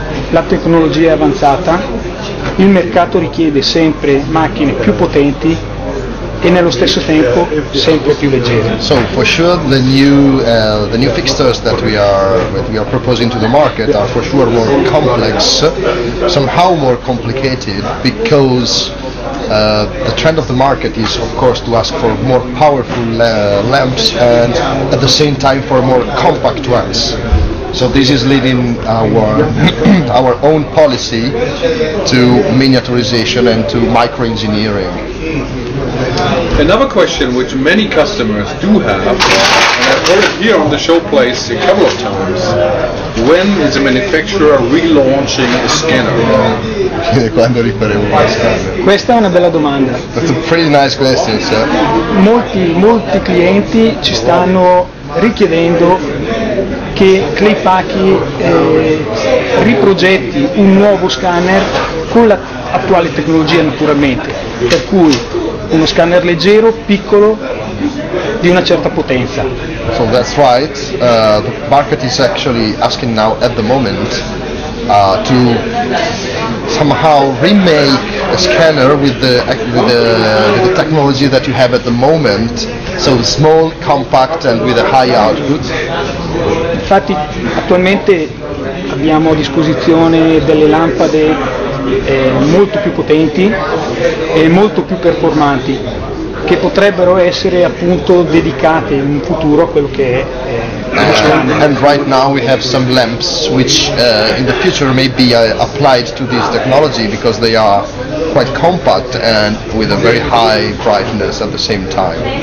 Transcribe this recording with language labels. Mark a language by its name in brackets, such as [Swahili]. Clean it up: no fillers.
[Italian] La tecnologia è avanzata, il mercato richiede sempre macchine più potenti e nello stesso tempo sempre più leggere. [English] So for sure the new fixtures that we are proposing to the market are for sure more complex, somehow more complicated, because the trend of the market is of course to ask for more powerful lamps and at the same time for more compact ones. So this is leading our our own policy to miniaturization and to microengineering. Another question which many customers do have, and I've heard it here on the showplace a couple of times, when is a manufacturer relaunching a scanner? [Italian] Quando riferiamo a scanner? Questa è una bella domanda. [English] That's a pretty nice question, sir. [Italian] Molti clienti ci stanno richiedendo che ClayPakyTV riprogetti un nuovo scanner con l'attuale tecnologia, naturalmente, per cui uno scanner leggero, piccolo, di una certa potenza. [English] So that's right, the market is actually asking now at the moment to somehow remake a scanner with the technology that you have at the moment, so small, compact and with a high output. [Italian] Infatti attualmente abbiamo a disposizione delle lampade molto più potenti e molto più performanti, che potrebbero essere appunto dedicate in futuro a quello che è [English] And right now we have some lamps which in the future may be applied to this technology, because they are quite compact and with a very high brightness at the same time.